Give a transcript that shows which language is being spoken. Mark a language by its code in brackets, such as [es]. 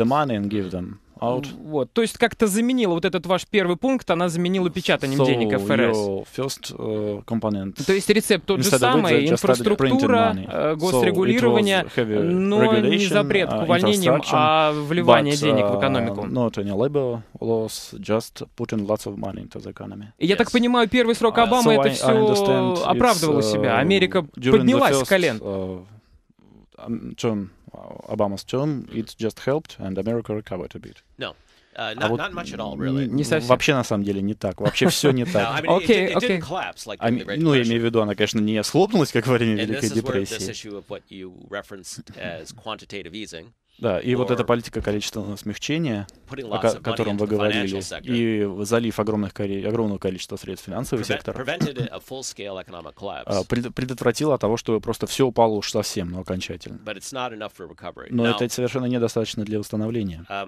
[en] The money and give them out. [ru] Вот. То есть как-то заменила вот этот ваш первый пункт, она заменила печатанием денег ФРС. [en] First component. [ru] То есть рецепт тот же самый, инфраструктура, госрегулирование, но не запрет к увольнениям, а вливание денег в экономику. [en] Not any labor laws, just putting lots of money into the economy. [ru] Я так понимаю, первый срок Обамы это все оправдывало себя. Америка поднялась с колен. [en] Obama's term, it just helped, and America recovered a bit. Not much at all, really. [ru] Не совсем. Вообще, на самом деле, не так. Вообще все не так. Окей. Ну, я имею в виду, она, конечно, не схлопнулась, как во время Великой депрессии. [en] And this is where this issue of what you referenced as quantitative easing. [ru] Да, и вот эта политика количественного смягчения, о котором вы говорили, и залив огромного количества средств в финансовый сектор, предотвратила того, чтобы просто все упало уж совсем, но окончательно. Но это совершенно недостаточно для восстановления.